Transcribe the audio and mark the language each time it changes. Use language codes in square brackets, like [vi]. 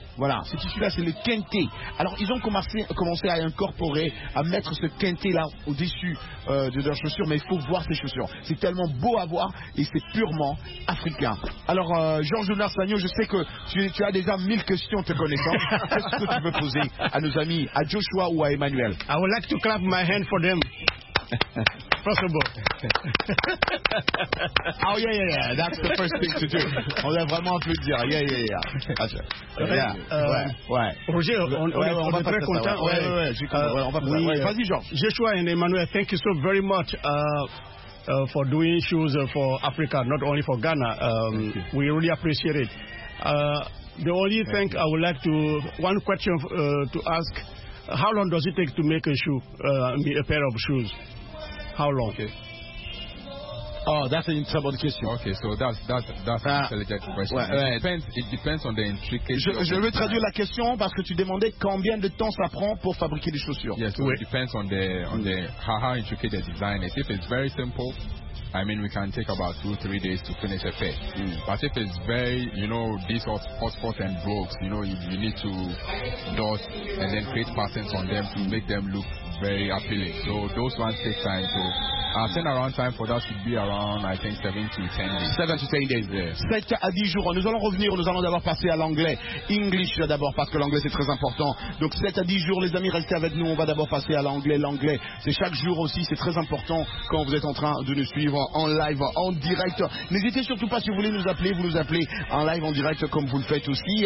[fr] Voilà, ce tissu-là c'est le Kente. Alors ils ont commencé à incorporer, à mettre ce Kente-là au-dessus de leurs chaussures. Mais il faut voir ces chaussures, c'est tellement beau à voir et c'est purement africain. Alors Georges Narsagno, je sais que tu as déjà 1000 questions te connaissant. Qu'est-ce que tu veux poser à nos amis, à Joshua ou à Emmanuel? [en] I would like to clap my hand for them. First of all. Oh, yeah, yeah, yeah. That's the first thing to do. [fr] On a vraiment un peu de dire. [en] Yeah, yeah, yeah. That's right. Joshua and Emmanuel, thank you so very much for doing shoes for Africa, not only for Ghana. We really appreciate it. The only thing I would like to, one question to ask, how long does it take to make a shoe, a pair of shoes? How long? Okay. Oh, that's an interesting question. Okay, so that's an intelligent question. Ouais. It depends on the intricacy. [fr] Je vais traduire la question parce que tu demandais combien de temps ça prend pour fabriquer des chaussures. [en] Yes, so oui. It depends on how intricate the design is. If it's very simple, I mean, we can take about 2-3 days to finish a pair. Mm. But if it's very, you know, these are hot spots and brooks, you know, you need to dot and then create patterns on them to make them look very appealing. So those ones take time. So our turnaround time for that should be around, I think, 7 to 10 days. 7 to 10 days. Yeah. [fr] 7 to 10 jours. Nous allons revenir. Nous allons d'abord passer à l'anglais. English d'abord, parce que l'anglais c'est très important. Donc 7 to 10 jours, les amis, restez avec nous. On va d'abord passer à l'anglais. L'anglais, c'est chaque jour aussi. C'est très important quand vous êtes en train de nous suivre en live, en direct. N'hésitez surtout pas, si vous voulez nous appeler, vous nous appelez en live, en direct, comme vous le faites aussi.